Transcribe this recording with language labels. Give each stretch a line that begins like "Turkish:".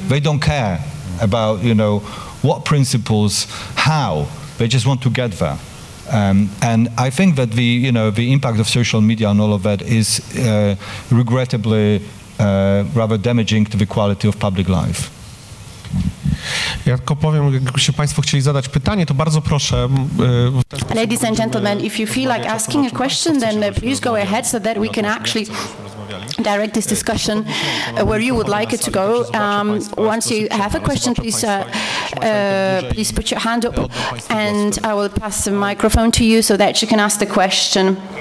English: They don't care about what principles, how. They just want to get there. And I think that the impact of social media on all of that is regrettably rather damaging to the quality of public life.
Polish: Ja tylko powiem, gdybyście Państwo chcieli zadać pytanie, to bardzo proszę.
English: Ladies and gentlemen, if you feel like asking a question, then please go ahead so that we can actually direct this discussion where you would like it to go. Once you have a question, please put your hand up and I will pass the microphone to you so that you can ask the question.